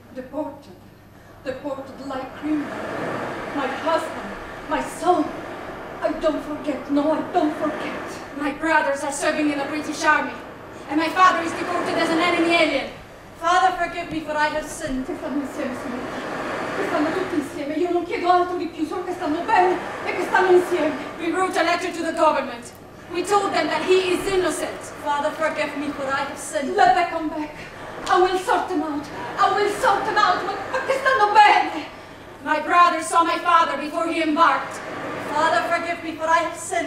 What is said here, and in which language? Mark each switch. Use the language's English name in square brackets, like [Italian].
[English] Deported? Deported like criminal. My husband, my son. I don't forget, no, I don't forget. My brothers are serving in the British Army, and my father is deported as an enemy alien. Father, forgive me, for I have sinned. [Italian] Che stanno insieme, signora. Che stanno tutti insieme. Io non chiedo altro di più, solo che stanno bene e che stanno insieme. [English] We wrote a letter to the government. We told them that he is innocent. Father, forgive me, for I have sinned. Let them come back. I will sort them out. I will sort them out. [Italian] Ma che stanno bene? [English] My brother saw my father before he embarked. Father, forgive me, for I have sinned.